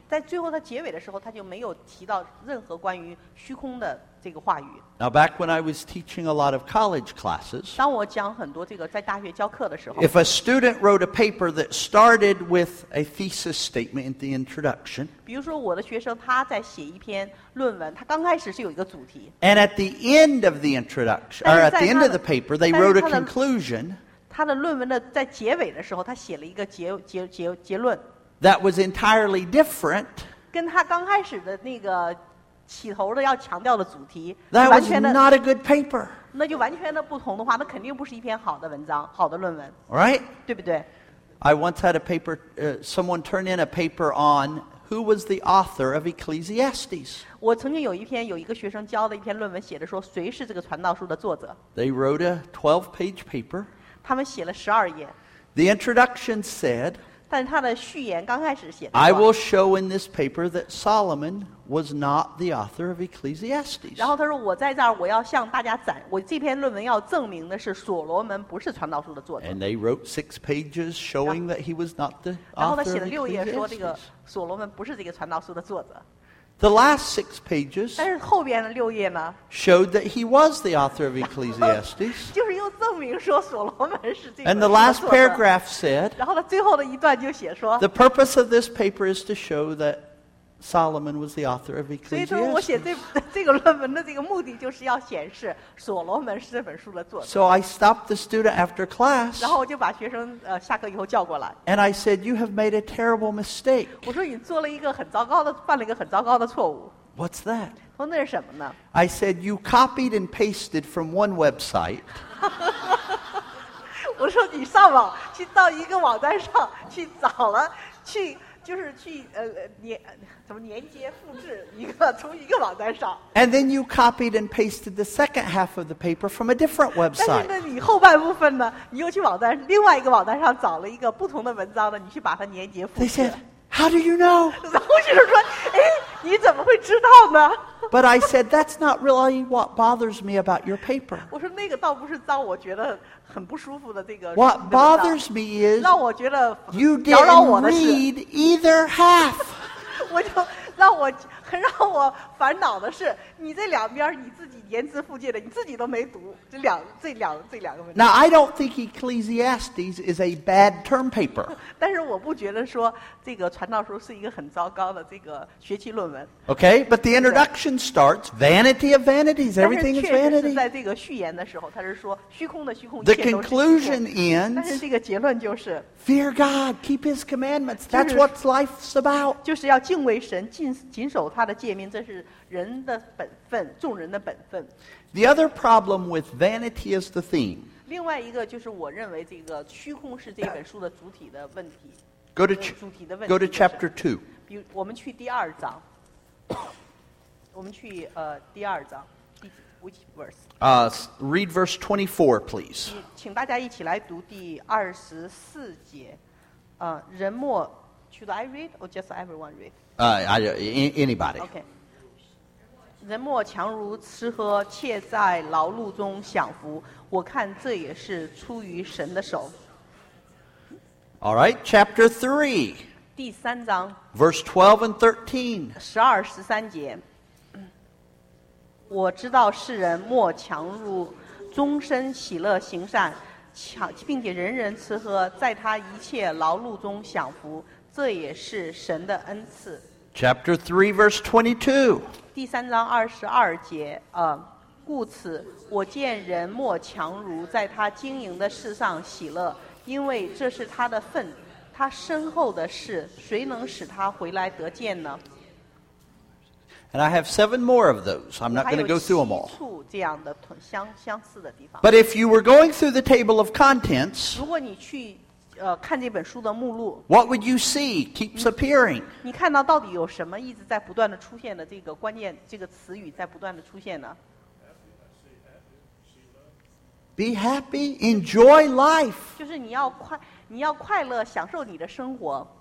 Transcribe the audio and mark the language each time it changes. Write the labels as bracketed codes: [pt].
[zh] 在最后他结尾的时候，他就没有提到任何关于虚空的。 [en] Now, back when I was teaching a lot of college classes, [zh] 当我讲很多这个在大学教课的时候 [en] if a student wrote a paper that started with a thesis statement in the introduction, [zh] 比如说我的学生他在写一篇论文，他刚开始是有一个主题 [en] and at the end of the introduction, or at the end of the paper, they wrote a conclusion, [zh] 他的论文的在结尾的时候，他写了一个结论 [en] that was entirely different, [zh] 跟他刚开始的那个起头的要强调的主题 [en] That was not a good paper. [zh] 那就完全的不同的话，那肯定不是一篇好的文章，好的论文。 [en] Right? [zh] 对不对 [en] ？I once had a paper. Someone turned in a paper on who was the author of Ecclesiastes. [zh] 我曾经有一篇有一个学生交的一篇论文，写的说谁是这个传道书的作者。 [en] They wrote a 12-page paper. [zh] 他们写了十二页。 [en] The introduction said. [zh] 但他的序言刚开始写的。 [en] I will show in this paper that Solomon. Was not the author of Ecclesiastes. [zh] 然后他说我在这儿我要向大家展我这篇论文要证明的是所罗门不是传道书的作者。 [en] And they wrote 6 pages showing that he was not the author of Ecclesiastes. [zh] 然后他写了六页说这个所罗门不是这个传道书的作者。 [en] The last 6 pages. [zh] 但是后边的六页呢 [en] ？Showed that he was the author of Ecclesiastes. [zh] 就是又证明说所罗门是这个。 [en] And the last paragraph said. [zh] 然后他最后的一段就写说 [en] ，The purpose of this paper is to show that. Solomon was the author of Ecclesiastes. [zh] 所以说我写这个论文的这个目的就是要显示所罗门是这本书的作者。 [en] So I stopped the student after class. [zh] 然后我就把学生下课以后叫过来。 [en] And I said, "You have made a terrible mistake." [zh] 我说你做了一个很糟糕的，犯了一个很糟糕的错误。 [en] What's that? [zh] 说那是什么呢 [en] ？I said, "You copied and pasted from one website." [zh] 我说你上网去到一个网站上去找了去。就是去连接复制一个从一个网站上。 [en] And then you copied and pasted the second half of the paper from a different website. [zh] 但是呢，你后半部分呢，你又去网站另外一个网站上找了一个不同的文章呢，你去把它连接复制。 [en] They said, How do you know? [zh] 然后就是说，哎，你怎么会知道呢？ [en] But I said, that's not really what bothers me about your paper. [zh] 我说那个倒不是让我觉得很不舒服的这个。 [en] What bothers me is, [zh] 让我觉得扰扰我的是 [en] you didn't read either half. [zh] 我就让我很让我烦恼的是，你这两边你自己言辞附介的，你自己都没读这两个文章。 [en] Now I don't think Ecclesiastes is a bad term paper. [zh] 但是我不觉得说这个传道书是一个很糟糕的这个学期论文。 [en] Okay, but the introduction starts vanity of vanities, everything is vanity. [zh] 但是确实是在这个序言的时候，他是说虚空的虚空。 [en] The conclusion ends. [zh] 但是这个结论就是 [en] fear God, keep His commandments. That's what life's about. [zh] 就是要敬畏神，谨守。他的诫命，这是人的本分，众人的本分。 [en] The other problem with vanity is the theme. [zh] 另外一个就是我认为这个虚空是这本书的主体的问题。 [en] Go to [zh] 主体的问题。 [en] Go to chapter two. [zh] 比如我们去第二章，我们去第二章第 [en] which verse? Read verse 24, please. [zh] 请大家一起来读第二十四节。人莫 [en] should I read or just everyone read? Anybody. Okay. [zh] 人莫强如吃喝，且在劳碌中享福。我看这也是出于神的手。 [en] All right, chapter 3. [zh] 第三章。 [en] Verse 12 and 13. [zh] 十二十三节。我知道世人莫强如终身喜乐行善，并且人人吃喝，在他一切劳碌中享福。这也是神的恩赐。 [en] Chapter 3, verse 22. [zh] 第三章二十二节，故此我见人莫强如在他经营的事上喜乐，因为这是他的份，他身后的事，谁能使他回来得见呢？ [en] And I have seven more of those. I'm not going to go through them all. [zh] 还有七处这样的相似的地方。 [en] But if you were going through the table of contents, [zh] 如果你去看这本书的目录。 [en] What would you see keeps appearing? [zh] 你看到到底有什么一直在不断的出现的这个关键这个词语在不断的出现呢？ [en] Be happy, enjoy life. [zh] 就是你要快乐，享受你的生活。